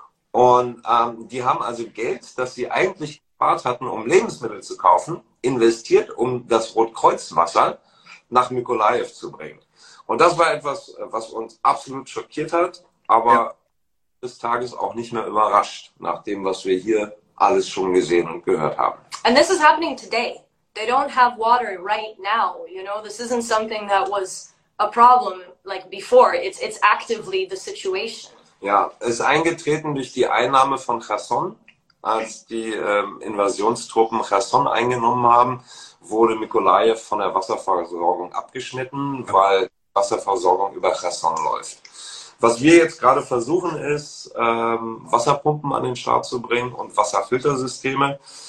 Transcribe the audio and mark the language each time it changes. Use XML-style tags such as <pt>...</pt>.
<de>Und die haben also Geld, das sie eigentlich gespart hatten, um Lebensmittel zu kaufen, investiert, um das Rotkreuzwasser nach Mykolaiv zu bringen. Und das war etwas, was uns absolut schockiert hat, aber des Tages auch nicht mehr überrascht, nach dem, was wir hier alles schon gesehen und gehört haben.</de> <en>And this is happening today. They don't have water right now. You know, this isn't something that was a problem like before. It's actively the situation.</en> <de>Ja, es ist eingetreten durch die Einnahme von Cherson. Als die Invasionstruppen Cherson eingenommen haben, wurde Mykolaiv von der Wasserversorgung abgeschnitten, weil Wasserversorgung über Cherson läuft. Was wir jetzt gerade versuchen ist, Wasserpumpen an den Start zu bringen und Wasserfiltersysteme.</de>